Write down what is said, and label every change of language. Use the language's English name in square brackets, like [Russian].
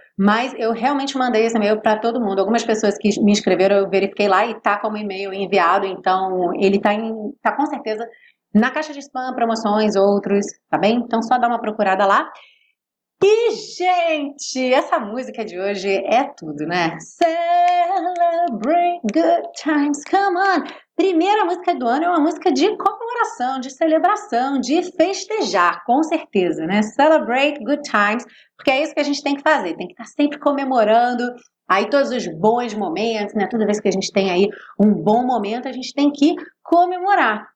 [Portuguese] Mas eu realmente mandei esse e-mail para todo mundo. Algumas pessoas que me escreveram, eu verifiquei lá e tá como e-mail enviado. Então, ele tá com certeza na caixa de spam, promoções, outros, tá bem? Então, só dá uma procurada lá. E, gente, essa música de hoje é tudo, né? [English] Celebrate good times, come on! [Portuguese] Primeira música do ano é uma música de comemoração, de celebração, de festejar, com certeza, né? [English] Celebrate good times, [Portuguese] porque é isso que a gente tem que fazer, tem que estar sempre comemorando aí todos os bons momentos, né? Toda vez que a gente tem aí um bom momento, a gente tem que comemorar.